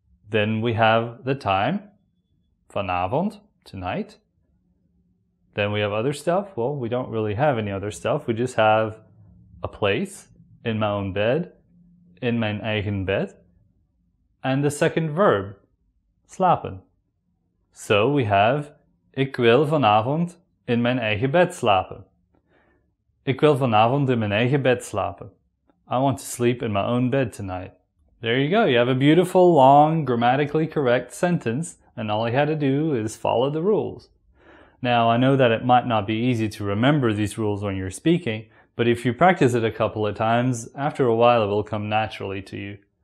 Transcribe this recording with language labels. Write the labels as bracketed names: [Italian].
[English] Then we have the time, vanavond, tonight. Then we have other stuff. Well, we don't really have any other stuff. We just have a place, in my own bed, [Dutch] in mijn eigen bed, [English] and the second verb, slapen. So we have, [Dutch] ik wil vanavond in mijn eigen bed slapen. Ik wil vanavond in mijn eigen bed slapen. [English] I want to sleep in my own bed tonight. There you go. You have a beautiful, long, grammatically correct sentence, and all you had to do is follow the rules. Now, I know that it might not be easy to remember these rules when you're speaking, but if you practice it a couple of times, after a while it will come naturally to you.